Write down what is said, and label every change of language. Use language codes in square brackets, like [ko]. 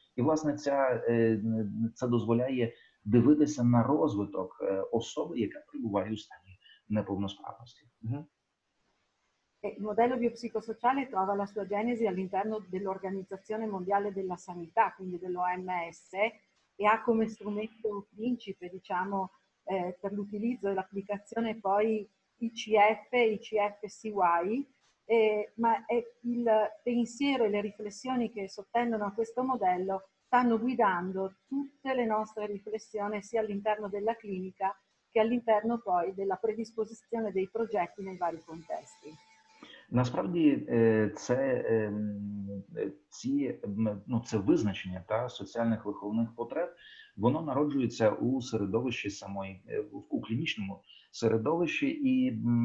[uk] І, власне, це дозволяє дивитися на розвиток особи, яка перебуває у стані неповносправності. [it] Il modello biopsicosociale trova la sua genesi all'interno dell'Organizzazione Mondiale della Sanità, quindi dell'OMS, e ha come strumento principe, diciamo, per l'utilizzo e l'applicazione poi ICF, ICF-CY, ma è il pensiero e le riflessioni che sottendono a questo modello stanno guidando tutte le nostre riflessioni sia all'interno della clinica che all'interno poi della predisposizione dei progetti nei vari contesti. [uk] Насправді це, ці, ну, це визначення та соціальних виховних потреб, воно народжується у середовищі самої, у клінічному середовищі і